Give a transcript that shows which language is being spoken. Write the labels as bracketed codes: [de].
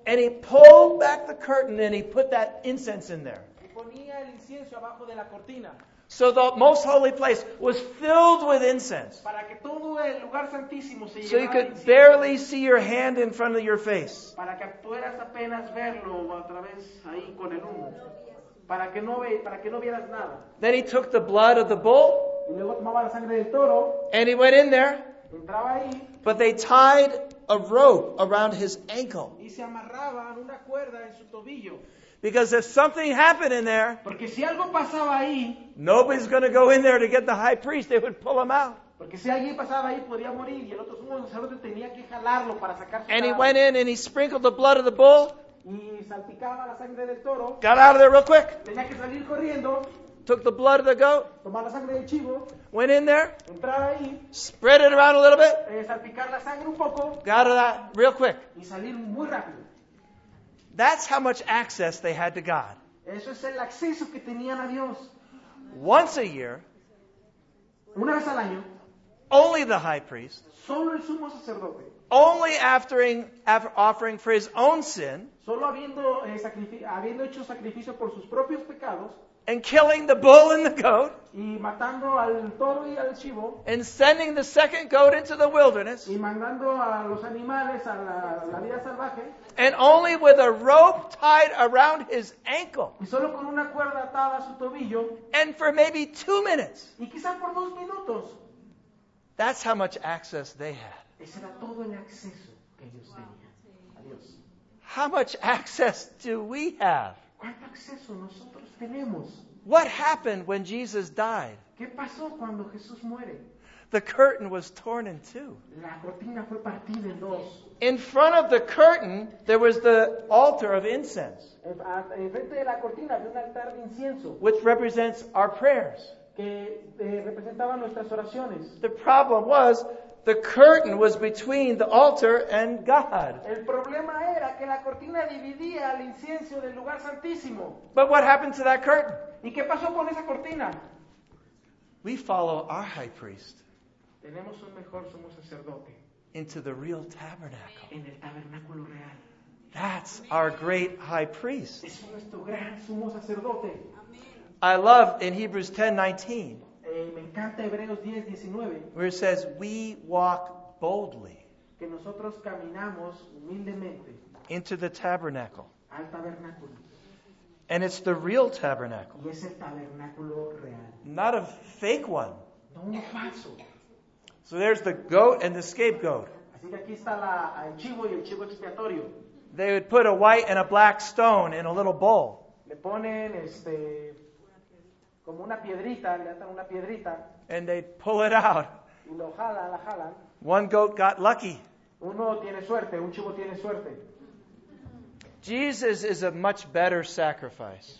[en] And he pulled back the curtain and he put that incense in there. [es] Y ponía el incienso abajo de la cortina. [en] So the most holy place was filled with incense. [es] Para que todo el lugar santísimo se [en] so you could barely see your hand in front of your face. [es] Para que pudieras apenas verlo a través ahí con el humo. Para que no vieras nada. [en] Then he took the blood of the bull. [es] Y luego tomaba la sangre del toro, [en] and he went in there. [es] Entraba ahí, [en] but they tied a rope around his ankle. [es] Y se amarraban una cuerda en su tobillo. [en] Because if something happened in there, [es] porque si algo pasaba ahí, [en] nobody's going to go in there to get the high priest. They would pull him out. [es] Porque si alguien pasaba ahí, podría morir. Y el otro sumo sacerdote tenía que jalarlo para sacar su [en] and he went in and he sprinkled the blood of the bull. [es] Y salpicaba la sangre del toro. [en] Got out of there real quick. [es] Tenía que salir corriendo. [en] Took the blood of the goat, [es] tomar la sangre del chivo, [en] went in there, [es] entrar ahí, [en] spread it around a little bit, [es] salpicar la sangre un poco, [en] got out of that real quick. [es] Y salir muy rápido. [en] That's how much access they had to God. [es] Eso es el acceso que tenían a Dios. [en] Once a year, [es] una vez al año, [en] only the high priest, [es] solo el sumo sacerdote, [en] only after offering for his own sin, [es] solo habiendo hecho sacrificio por sus propios pecados, [en] and killing the bull and the goat, [es] y matando al toro y al chivo, [en] and sending the second goat into the wilderness, [es] y mandando a los animales a la vida salvaje, [en] and only with a rope tied around his ankle, [es] y solo con una cuerda atada a su tobillo, [en] and for maybe 2 minutes, [es] y quizá por 2 minutos, [en] that's how much access they had. [es] Ese era todo el acceso que ellos tenían. [en] Wow. [es] Adiós. [en] How much access do we have? [es] ¿Cuánto acceso nosotros tenemos? [en] What happened when Jesus died? [es] ¿Qué pasó cuando Jesús muere? [en] The curtain was torn in two. [es] La cortina fue partida en dos. [en] In front of the curtain, there was the altar of incense. [es] En frente de la cortina había un altar de incienso. [en] Which represents our prayers. [es] Que representaba nuestras oraciones. [en] The problem was, the curtain was between the altar and God. [es] El problema era que la cortina dividía el incienso del lugar santísimo. [en] But what happened to that curtain? [es] ¿Y qué pasó con esa cortina? [en] We follow our high priest. [es] Tenemos un mejor sumo sacerdote. [en] Into the real tabernacle. [es] En el tabernáculo real. [en] That's Amen. Our great high priest. [es] Es nuestro gran sumo sacerdote. Amen. [en] I love in Hebrews 10:19. [es] Me encanta Hebreos 10, 19, [en] where it says, we walk boldly [es] que nosotros caminamos humildemente [en] into the tabernacle. [es] Al tabernáculo. [en] And it's the real tabernacle. [es] Y es el tabernáculo real. [en] Not a fake one. [es] No, un falso. [en] So there's the goat and the scapegoat. [es] Así que aquí está el chivo y el chivo expiatorio. [en] They would put a white and a black stone in a little bowl. [es] Le ponen como una piedrita, le atan una piedrita. [en] And they pull it out. [es] Y lo jala, la jalan. [en] One goat got lucky. [es] Uno tiene suerte, un chivo tiene suerte. [en] Jesus is a much better sacrifice.